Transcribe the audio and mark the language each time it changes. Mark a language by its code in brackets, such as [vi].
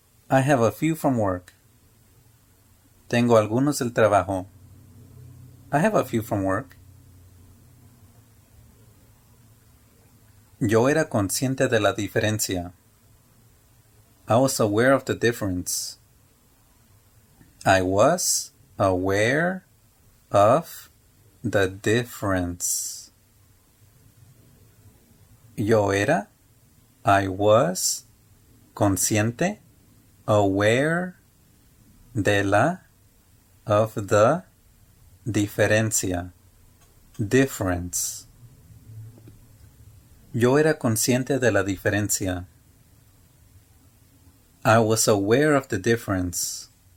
[en] I have a few from work. [es] Tengo algunos del trabajo. [en] I have a few from work. [es] Yo era consciente de la diferencia. [en] I was aware of the difference. I was aware of the difference. [es] Yo era, [en] I was [es] consciente. [en] Aware [es] de la, [en] of the, [es] diferencia, [en] difference. [es] Yo era consciente de la diferencia. [en] I was aware of the difference.